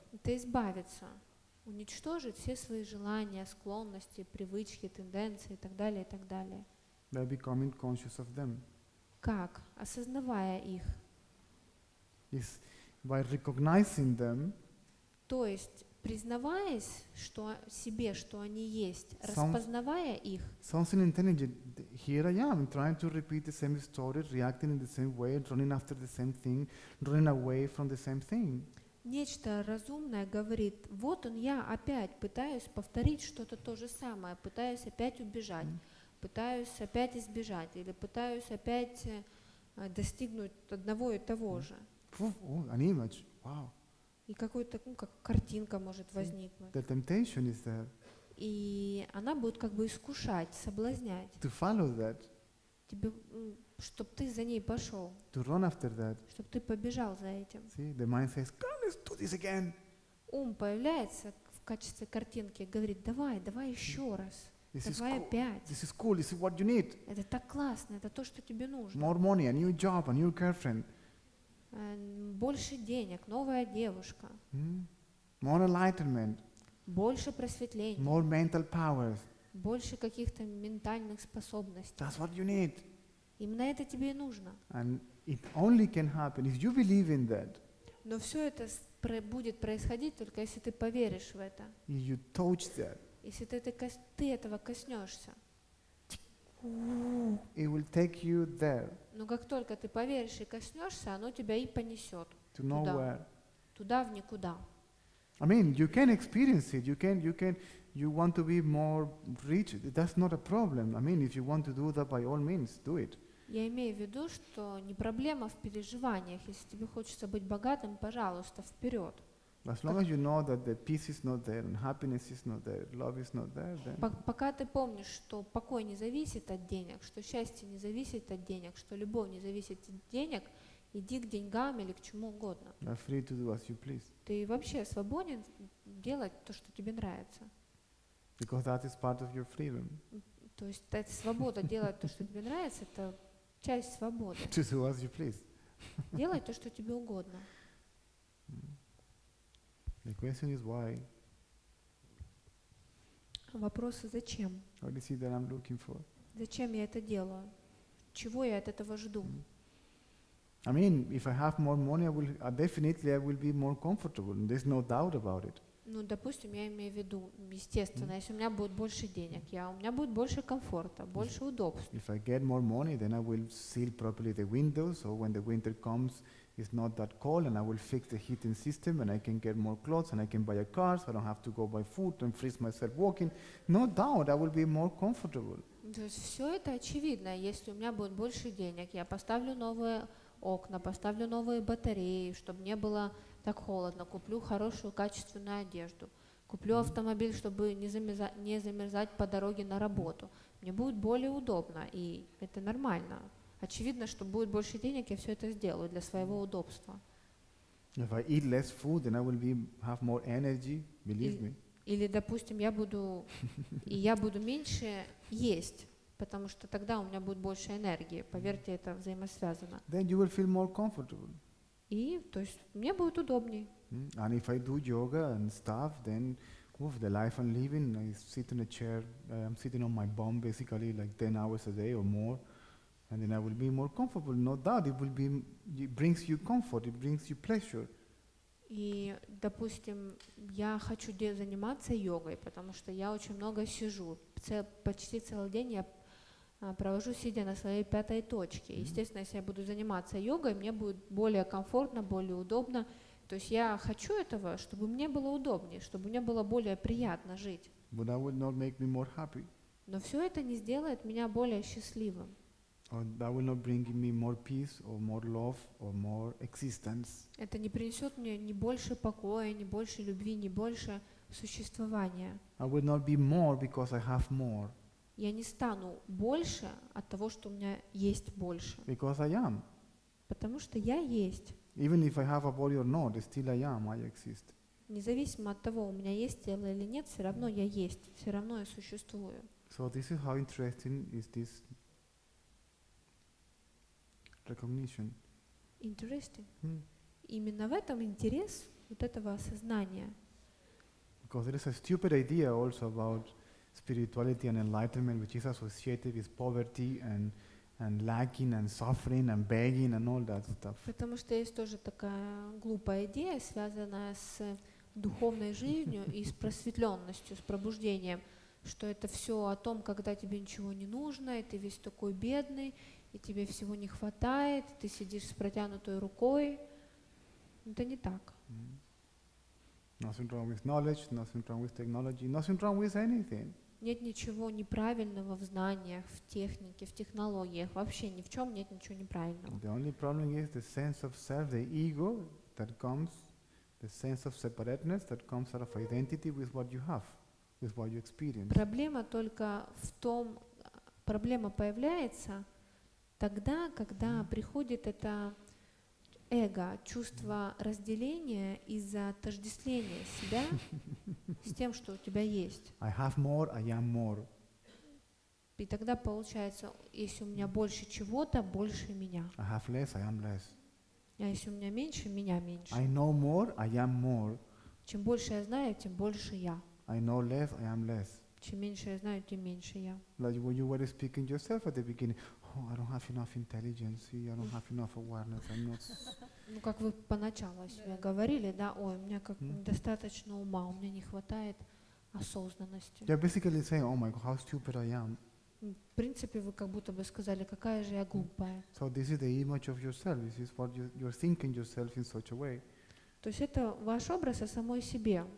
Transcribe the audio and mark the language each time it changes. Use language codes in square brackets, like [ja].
[ru] Это избавиться, уничтожить все свои желания, склонности, привычки, тенденции и так далее, и так далее. [en] By becoming conscious of them. [ru] Как? Осознавая их. [en] Yes. By recognizing them, [ru] то есть признаваясь что себе, что они есть, распознавая их. [en] Something intelligent. Here I am, trying to repeat the same story, reacting in the same way, running after the same thing, running away from the same thing. [ru] Нечто разумное говорит: вот он я опять пытаюсь повторить что-то то же самое, пытаюсь опять убежать, пытаюсь опять избежать или пытаюсь опять достигнуть одного и того же. [en] An image, wow. [ru] И какой-то, ну, как картинка может возникнуть. [en] The temptation is there. [ru] И она будет как бы искушать, соблазнять. [en] To follow that. [ru] Тебе, чтобы ты за ней пошел. [en] To run after that. [ru] Чтобы ты побежал за этим. [en] See, the mind says, "Come, let's do this again." [ru] Ум появляется в качестве картинки, говорит: "Давай, давай еще раз." [en] This is cool. This is what you need. [ru] Это так классно. Это то, что тебе нужно. [en] More money, a new job, a new girlfriend. [ru] Больше денег, новая девушка. [en] More enlightenment. [ru] Больше просветления. [en] More mental powers. [ru] Больше каких-то ментальных способностей. [en] That's what you need. [ru] Именно это тебе и нужно. [en] And it only can happen if you believe in that. [ru] Но все это будет происходить только если ты поверишь в это. [en] If you touch that. [ru] Если ты этого коснешься, [en] it will take you there. [ru] Но как только ты поверишь и коснешься, оно тебя и понесет [en] to nowhere. [ru] Туда, в никуда. [en] I mean, you can experience it. You can. You want to be more rich. That's not a problem. I mean, if you want to do that, by all means, do it. [ru] Я имею в виду, что не проблема в переживаниях. Если тебе хочется быть богатым, пожалуйста, вперед. [en] As long as you know that the peace is not there, and happiness is not there, love is not there, then. [ru] Пока ты помнишь, что покой не зависит от денег, что счастье не зависит от денег, что любовь не зависит от денег, иди к деньгам или к чему угодно. [en] You're free to do as you please. [ru] Ты вообще свободен делать то, что тебе нравится. [en] Because that is part of your freedom. [ru] То есть это свобода делать то, что тебе нравится, это часть свободы. [en] To do as you please. [ru] Делать то, что тебе угодно. [en] The question is why. [ru] Вопросы зачем? [en] What is it that I'm looking for? [ru] Зачем я это делаю? Чего я от этого жду? [en] I mean, if I have more money, I will definitely be more comfortable. And there's no doubt about it. [ru] Ну, допустим, я имею в виду, естественно, если у меня будет больше денег, у меня будет больше комфорта, больше удобств. [en] If I get more money, then I will seal properly the windows, so when the winter comes, it's not that cold, and I will fix the heating system, and I can get more clothes, and I can buy a car, so I don't have to go by foot and freeze myself walking. No doubt, I will be more comfortable. [ru] То есть все это очевидно. Если у меня будет больше денег, я поставлю новые окна, поставлю новые батареи, чтобы не было так холодно. Куплю хорошую качественную одежду. Куплю автомобиль, чтобы не замерзать по дороге на работу. Мне будет более удобно, и это нормально. Очевидно, что будет больше денег, я все это сделаю для своего удобства. [en] If I eat less food, then I will have more energy, believe me. [ru] Или, допустим, я буду меньше есть, потому что тогда у меня будет больше энергии. Поверьте, это взаимосвязано. [en] Then you will feel more comfortable. [ru] И, то есть, мне будет удобней. [en] And if I do yoga and stuff, then the life I'm living, I sit in a chair, I'm sitting on my bum basically like 10 hours a day or more. And then I will be more comfortable. No doubt, it brings you comfort, it brings you pleasure. [ru] И, допустим, я хочу заниматься йогой, потому что я очень много сижу. Почти целый день я провожу, сидя на своей пятой точке. Естественно, если я буду заниматься йогой, мне будет более комфортно, более удобно. То есть я хочу этого, чтобы мне было удобнее, чтобы мне было более приятно жить. [en] But that will not make me more happy. [ru] Но все это не сделает меня более счастливым. [en] Or that will not bring me more peace, or more love, or more existence. [ru] Это не принесет мне ни больше покоя, ни больше любви, ни больше существования. [en] I will not be more because I have more. [ru] Я не стану больше от того, что у меня есть больше. [en] Because I am. [ru] Потому что я есть. [en] Even if I have a body or not, still I am. I exist. [ru] Независимо от того, у меня есть тело или нет, все равно я есть, все равно я существую. [en] So this is how interesting is this. Recognition. Interesting. [ru] Именно в этом интерес вот этого осознания. [en] Because there is a stupid idea also about spirituality and enlightenment, which is associated with poverty and lacking and suffering and begging and all that stuff. [ru] Потому что есть тоже такая глупая идея, связанная с духовной жизнью и с просветленностью, с пробуждением, что это все о том, когда тебе ничего не нужно, и ты весь такой бедный. И тебе всего не хватает, ты сидишь с протянутой рукой. Это не так. [en] Nothing wrong with knowledge, nothing wrong with technology, nothing wrong with anything. [ru] Нет ничего неправильного в знаниях, в технике, в технологиях. Вообще ни в чем нет ничего неправильного. [en] The only problem is the sense of self, the ego that comes, the sense of separateness that comes out of identity with what you have, with what you experience. [ru] Проблема только в том, проблема появляется тогда, когда приходит это эго, чувство разделения из-за отождествления себя с тем, что у тебя есть. [en] I have more, I am more. [ru] И тогда получается, если у меня больше чего-то, больше меня. [en] I have less, I am less. [ru] А если у меня меньше, меня меньше. [en] I know more, I am more. [ru] Чем больше я знаю, тем больше я. [en] I know less, I am less. [ru] Чем меньше я знаю, тем меньше я. [en] Like when you were speaking yourself at the beginning, oh, I don't have enough intelligence, I don't have enough awareness, I'm not. [ru] Ну как вы поначалу себе говорили, да, ой, у меня как достаточно ума, у меня не хватает осознанности. [en] You're basically saying, oh my God, how stupid I am. [ru] В принципе, вы как будто бы сказали, какая же я глупая. [en] So this is the image of yourself. This is what you're thinking yourself in such a way. [ru] То есть это ваш образ о самой себе.